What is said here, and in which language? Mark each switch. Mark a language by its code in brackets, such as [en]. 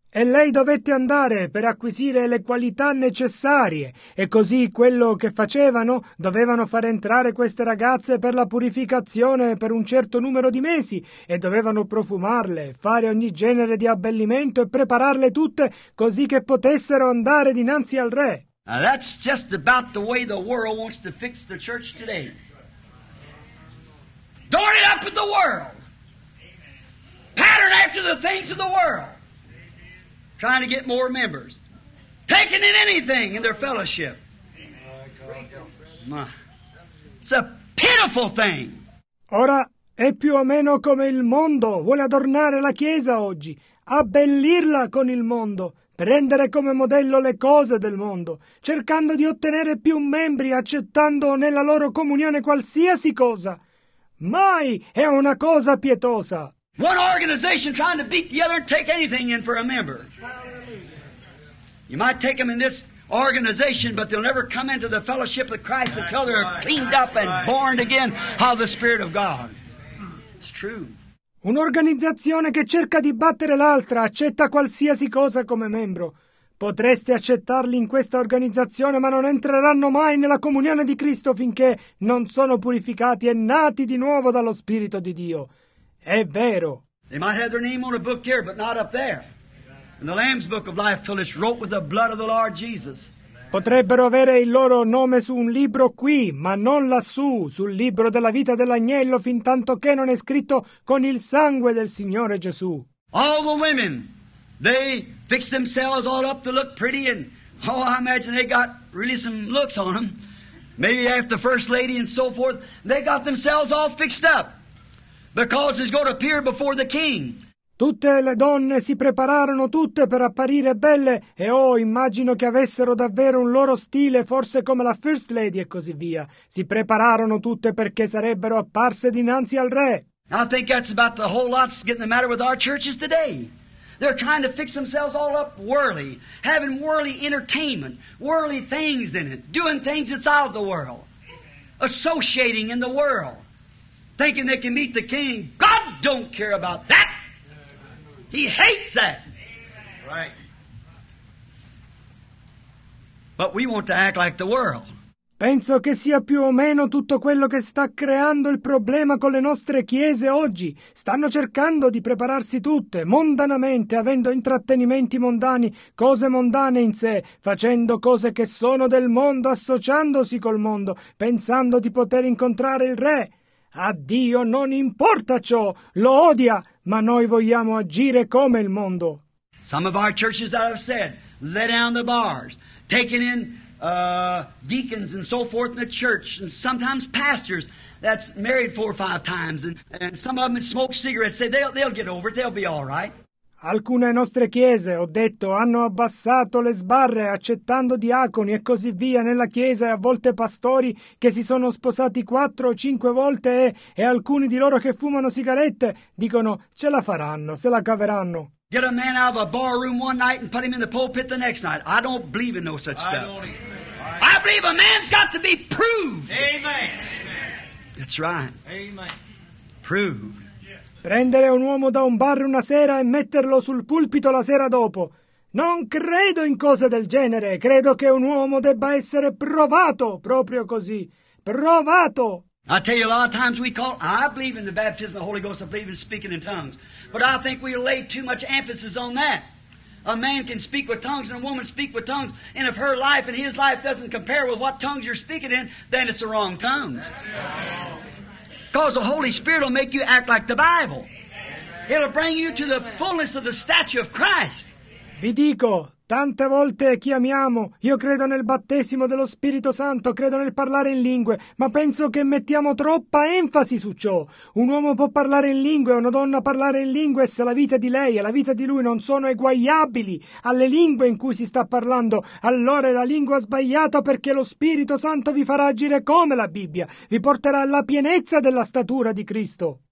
[it] e lei dovette andare per acquisire le qualità necessarie, e così quello che facevano, dovevano far entrare queste ragazze per la purificazione per un certo numero di mesi, e dovevano profumarle, fare ogni genere di abbellimento e prepararle tutte così che potessero andare dinanzi al re. [en] Now that's just about the way the world wants to fix the church today. Dorn it up with the world. Pattern after the things of the world. Trying to get more members. Taking in anything in their fellowship. My. It's a pitiful thing. [it] Ora è più o meno come il mondo vuole adornare la Chiesa oggi. Abbellirla con il mondo. Prendere come modello le cose del mondo, cercando di ottenere più membri, accettando nella loro comunione qualsiasi cosa. Mai è una cosa pietosa. [en] One organization trying to beat the other and take anything in for a member. You might take them in this organization, but they'll never come into the fellowship of Christ until they're cleaned up and born again of the Spirit of God. It's true. [it] Un'organizzazione che cerca di battere l'altra accetta qualsiasi cosa come membro. Potreste accettarli in questa organizzazione, ma non entreranno mai nella comunione di Cristo finché non sono purificati e nati di nuovo dallo Spirito di Dio. È vero. [en] They might have their name on a book here, but not up there. In the Lamb's book of life, till it's wrote with the blood of the Lord Jesus. [it] Potrebbero avere il loro nome su un libro qui, ma non lassù, sul libro della vita dell'agnello, fin tanto che non è scritto con il sangue del Signore Gesù. [en] All the women, they fix themselves all up to look pretty, and oh, I imagine they got really some looks on them. Maybe after the first lady and so forth, they got themselves all fixed up, because it's going to appear before the king. [it] Tutte le donne si prepararono tutte per apparire belle e oh, immagino che avessero davvero un loro stile, forse come la First Lady e così via. Si prepararono tutte perché sarebbero apparse dinanzi al re. [en] I think that's about the whole lot's getting the matter with our churches today. They're trying to fix themselves all up worldly, having worldly entertainment, worldly things in it, doing things that's out of the world, associating in the world, thinking they can meet the king. God don't care about that. He hates that. Right. But we want to act like the world. [it] Penso che sia più o meno tutto quello che sta creando il problema con le nostre chiese oggi. Stanno cercando di prepararsi tutte, mondanamente, avendo intrattenimenti mondani, cose mondane in sé, facendo cose che sono del mondo, associandosi col mondo, pensando di poter incontrare il re. A Dio non importa ciò, lo odia, ma noi vogliamo agire come il mondo. [en] Some of our churches that have said, let down the bars, taking in deacons and so forth in the church, and sometimes pastors that's married four or five times, and some of them smoke cigarettes, say they'll get over it, they'll be all right. [it] Alcune nostre chiese, ho detto, hanno abbassato le sbarre accettando diaconi e così via nella chiesa e a volte pastori che si sono sposati 4 o 5 volte e alcuni di loro che fumano sigarette dicono ce la faranno, se la caveranno. [en] Get a man out of a bar room one night and put him in the pulpit the next night. I don't believe in no such stuff. I believe a man's got to be proved. Amen. That's right. Amen. Proved. [it] Prendere un uomo da un bar una sera e metterlo sul pulpito la sera dopo. Non credo in cose del genere. Credo che un uomo debba essere provato proprio così. Provato! [en] I tell you, a lot of times we call, I believe in the baptism of the Holy Ghost, I believe in speaking in tongues. But I think we lay too much emphasis on that. A man can speak with tongues and a woman speak with tongues. And if her life and his life doesn't compare with what tongues you're speaking in, then it's the wrong tongue. Because the Holy Spirit will make you act like the Bible. It'll bring you to the fullness of the stature of Christ. [it] Vi dico, tante volte chiamiamo, io credo nel battesimo dello Spirito Santo, credo nel parlare in lingue, ma penso che mettiamo troppa enfasi su ciò. Un uomo può parlare in lingue, una donna parlare in lingue, se la vita di lei e la vita di lui non sono eguagliabili alle lingue in cui si sta parlando, allora è la lingua sbagliata, perché lo Spirito Santo vi farà agire come la Bibbia, vi porterà alla pienezza della statura di Cristo.